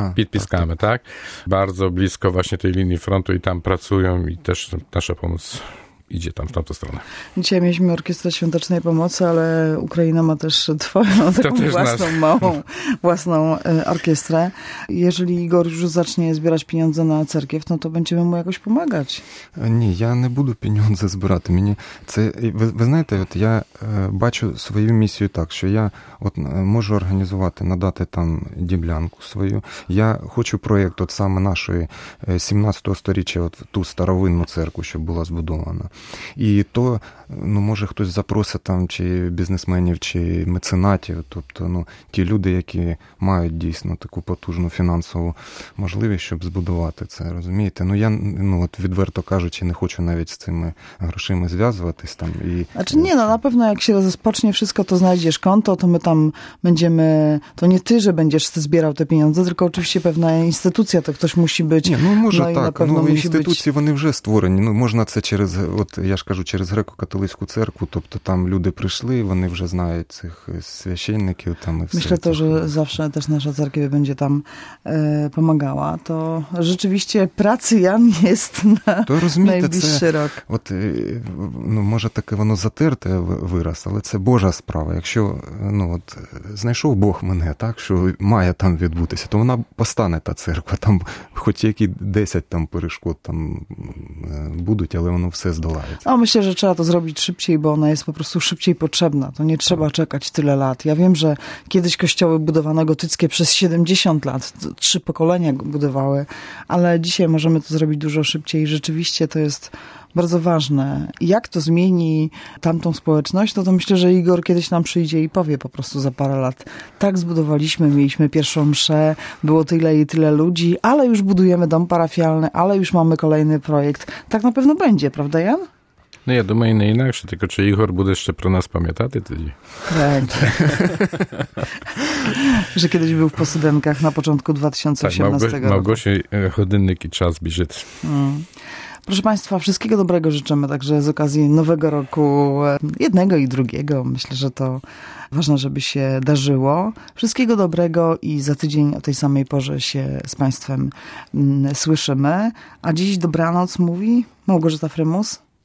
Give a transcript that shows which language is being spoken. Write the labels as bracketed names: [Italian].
[Polish] Piskamy, tak? Bardzo blisko właśnie tej linii frontu i tam pracują i też nasza pomoc idzie tam, w tamtą stronę. Dzisiaj mieliśmy Orkiestrę Świątecznej Pomocy, ale Ukraina ma też twoją taką własną, małą, własną orkiestrę. Jeżeli Igor już zacznie zbierać pieniądze na cerkiew, no to będziemy mu jakoś pomagać. Nie, ja nie będę pieniądze zbierać. [Ukrainian] Ви знаєте, от я бачу свою місію так, що я от можу організувати, надати там діблянку свою. Я хочу проєкт от саме нашої 17-го сторіччя, от ту старовинну церкву, що була збудована. І то, ну, може хтось запросить там, чи бізнесменів, чи меценатів, тобто, ну, ті люди, які мають дійсно таку потужну фінансову можливість, щоб збудувати це, розумієте? Ну, я, ну, от відверто кажучи, не хочу навіть з цими грошима зв'язуватись там. І... Знаєш, ні, ну, напевно, як ще розпочне все, то знайдеш конто, то ми там [Polish] będziemy, to nie ty, że będziesz zbierał te pieniądze, tylko oczywiście pewna instytucja, to ktoś musi być. Nie, no może no tak, no instytucje, być... one już stworzone, no można to przez, ja już mówię, przez Greko-Katolicką Cerkwę, to tam ludzie przyszli, oni już znają tych świeczników tam i myślę to, że zawsze też nasza cerkiew będzie tam pomagała, to rzeczywiście pracy Jan jest na to najbliższy rok. Ot, no może takie ono zatyrte wyraz, ale to Boża sprawa, jak się, no [Ukrainian] от, знайшов Бог мене, так, що має там відбутися, то вона постане та церква, там хоч які 10 там перешкод там будуть, але воно все здолається. [Polish] А myślę, że trzeba to zrobić szybciej, bo ona jest po prostu szybciej potrzebna, to nie trzeba czekać tyle lat. Ja wiem, że kiedyś kościoły budowano gotyckie przez 70 lat, trzy pokolenia budowały, ale dzisiaj możemy to zrobić dużo szybciej i rzeczywiście to jest bardzo ważne. Jak to zmieni tamtą społeczność, no to myślę, że Igor kiedyś nam przyjdzie i powie po prostu za parę lat. Tak zbudowaliśmy, mieliśmy pierwszą mszę, było tyle i tyle ludzi, ale już budujemy dom parafialny, ale już mamy kolejny projekt. Tak na pewno będzie, prawda Jan? [Ukrainian] No ja думаю не інакше, тільки чи Ігор буде ще про нас пам'ятати тоді? Так. Вже кидаєш був в посуденках на початку 2018 року. Так, [Polish] Małgosiu, [Ukrainian] годинник і час біжить. [Polish] Proszę Państwa, wszystkiego dobrego życzymy także z okazji nowego roku, jednego i drugiego. Myślę, że to ważne, żeby się darzyło. Wszystkiego dobrego i za tydzień o tej samej porze się z Państwem słyszymy. A dziś dobranoc mówi Małgorzata Frymus,